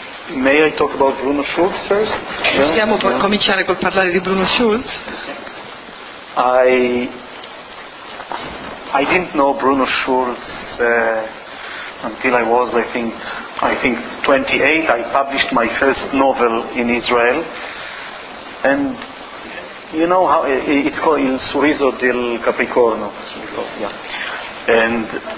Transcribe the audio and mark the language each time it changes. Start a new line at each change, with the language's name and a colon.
English: May I talk about Bruno Schulz first?
Italian: Possiamo cominciare col parlare di Bruno Schulz?
English: I didn't know Bruno Schulz until I was, I think 28. I published my first novel in Israel, and you know how it's called, Il Sorriso del Capricorno. And